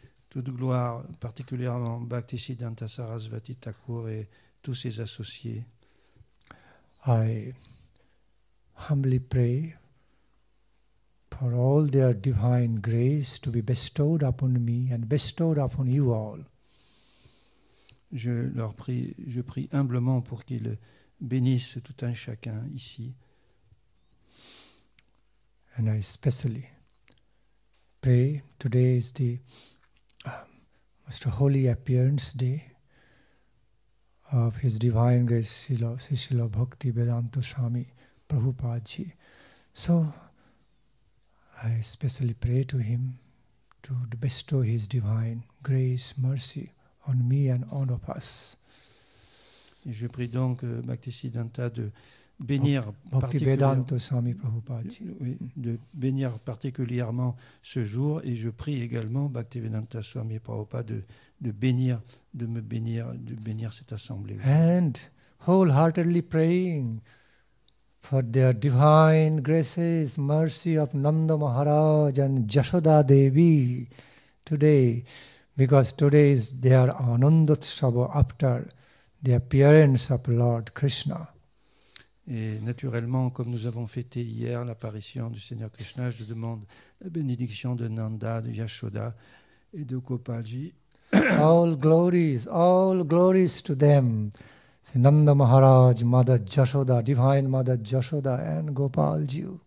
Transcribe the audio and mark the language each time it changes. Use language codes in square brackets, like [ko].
[fr] Toute gloire particulièrement Bhaktisiddhanta Sarasvati Thakur et tous ses associés. [en] I humbly pray for all their divine grace to be bestowed upon me and bestowed upon you all. [fr] Je prie humblement pour qu'ils bénissent tout un chacun ici. [en] And I especially pray, today is the most holy appearance day of His Divine Grace Srila Bhakti Vedanta Swami Prabhupada Ji. So I especially pray to him to bestow his divine grace, mercy on me and all of us. [fr] Et je prie donc Bhaktisiddhanta de bénir Bhaktivedanta Swami Prabhupada. Oui, de bénir particulièrement ce jour, et je prie également Bhaktivedanta Swami Prabhupada de bénir cette assemblée. [en] And wholeheartedly praying for their divine graces, mercy of Nanda Maharaj and Jashoda Devi today, Because today is their Anandotsava after the appearance of Lord Krishna. [fr] Et naturellement, comme nous avons fêté hier l'apparition du Seigneur Krishna, je demande la bénédiction de Nanda, de Yashoda et de Gopalji. [en] All glories to them. [fr] C'est Nanda Maharaj, [en] Mother Yashoda, Divine Mother Yashoda [fr] and Gopalji.